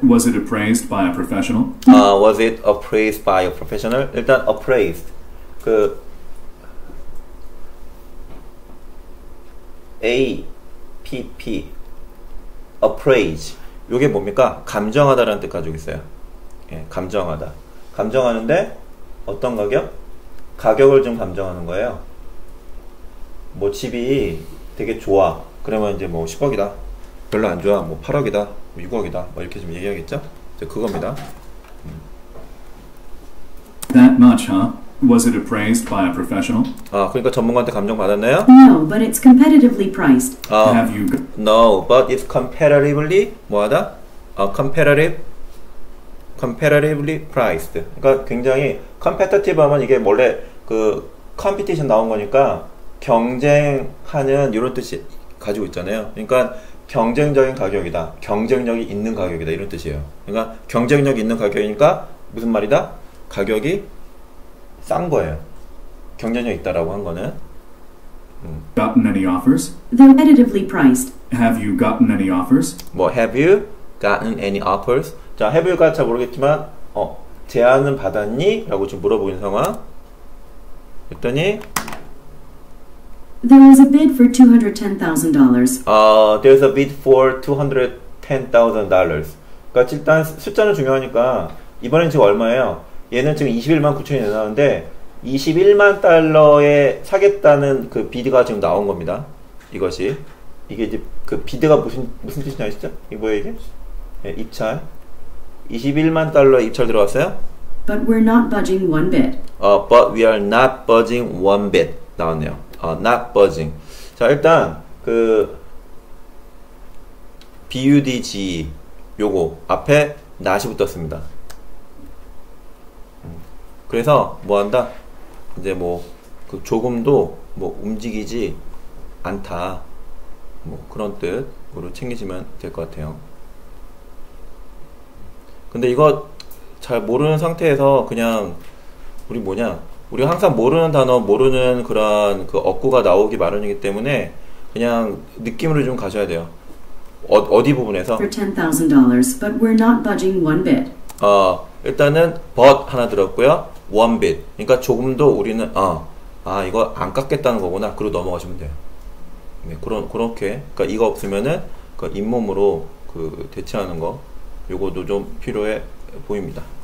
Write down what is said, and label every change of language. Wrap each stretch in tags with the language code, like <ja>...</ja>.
<en>Was it appraised by a professional? Was it appraised by a professional?</en> <ko>일단</ko> <en>appraised, 그 A, P, P, appraise.</en> <ko>요게 뭡니까? 감정하다라는 뜻 가지고 있어요. 예, 감정하다. 감정하는데 어떤 가격? 가격을 좀 감정하는 거예요. 뭐 집이 되게 좋아. 그러면 이제 뭐 10억이다. 별로 안 좋아. 뭐 8억이다. 6억이다. 뭐 이렇게 좀 얘기하겠죠? 이제 그겁니다.</ko> <en>That much, huh? Was it appraised by a professional?</en> <ko>그러니까 전문가한테 감정 받았나요?</ko> <en>No, but it's competitively priced. Have you? No, but it's comparatively</en> <ko>뭐하다?</ko> <en>Comparatively priced.</en> <ko>그러니까 굉장히</ko> <en>competitive</en> <ko>하면 이게 원래 그 competition 나온 거니까 경쟁하는 이런 뜻이 가지고 있잖아요. 그러니까 경쟁적인 가격이다. 경쟁력이 있는 가격이다. 이런 뜻이에요. 그러니까 경쟁력이 있는 가격이니까 무슨 말이다? 가격이 싼 거예요. 경쟁력 있다라고 한 거는.</ko> <en>Gotten any offers? Competitively priced. Have you gotten any offers?</en> <ko>뭐</ko> <en>have you gotten any offers?</en> <ko>자,</ko> <en>have you</en> <ko>가 잘 모르겠지만 제안은 받았니? 라고 지금 물어보는 상황. 그랬더니</ko> <en>There was a bid for $210,000. There's a bid for $210,000.</en> <ko>그러니까 일단 숫자는 중요하니까 이번엔 지금 얼마예요? 얘는 지금 21만 9천이 나왔는데 21만 달러에 사겠다는 그 비드가 지금 나온 겁니다. 이것이 이게 이제 그 비드가 무슨 뜻인지 아시죠? 이게 뭐예요 이게? 네, 입찰. 21만 달러 입찰 들어왔어요?</ko> <en>But we're not budging one bit. But we are not budging one bit.</en> <ko>나왔네요.</ko> <en>Not budging.</en> <ko>자, 일단 그 BUDG 요거 앞에</ko> <en>not</en> <ko>이 붙었습니다. 그래서 뭐 한다? 이제 뭐 그 조금도 뭐 움직이지 않다. 뭐 그런 뜻으로 챙기시면 될 것 같아요. 근데 이거 잘 모르는 상태에서 그냥 우리 뭐냐? 우리 항상 모르는 단어, 모르는 그런 그 어구가 나오기 마련이기 때문에 그냥 느낌으로 좀 가셔야 돼요. 어디 부분에서?</ko> <en>For $10,000, but we're not budging one bit.</en> <ko>일단은</ko> <en>but</en> <ko>하나 들었고요.</ko> <en>One bit.</en> <ko>그러니까 조금도 우리는 이거 안 깎겠다는 거구나. 그리고 넘어가시면 돼요. 네, 그렇게. 그러니까 이거 없으면은 그 잇몸으로 그 대체하는 거 요것도 좀 필요해 보입니다.</ko>